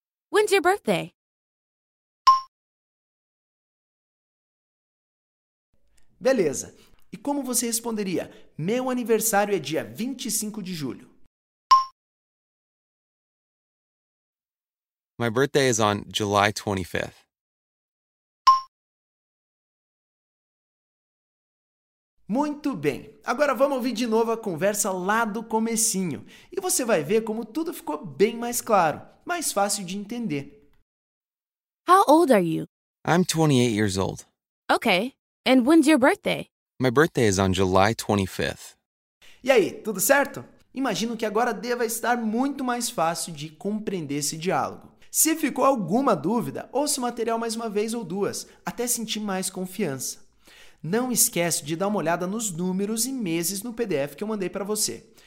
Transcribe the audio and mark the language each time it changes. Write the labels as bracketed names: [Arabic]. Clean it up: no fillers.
[English] When's your birthday? [Portuguese] Beleza. E como você responderia, meu aniversário é dia 25 de julho? [English] My birthday is on July 25th. [Portuguese] Muito bem. Agora vamos ouvir de novo a conversa lá do comecinho. E você vai ver como tudo ficou bem mais claro, mais fácil de entender. [English] How old are you? I'm 28 years old. Okay. And when's your birthday? My birthday is on July 25th. [Portuguese] E aí, tudo certo? Imagino que agora deva estar muito mais fácil de compreender esse diálogo. Se ficou alguma dúvida, ouça o material mais uma vez ou duas, até sentir mais confiança. Não esquece de dar uma olhada nos números e meses no PDF que eu mandei para você.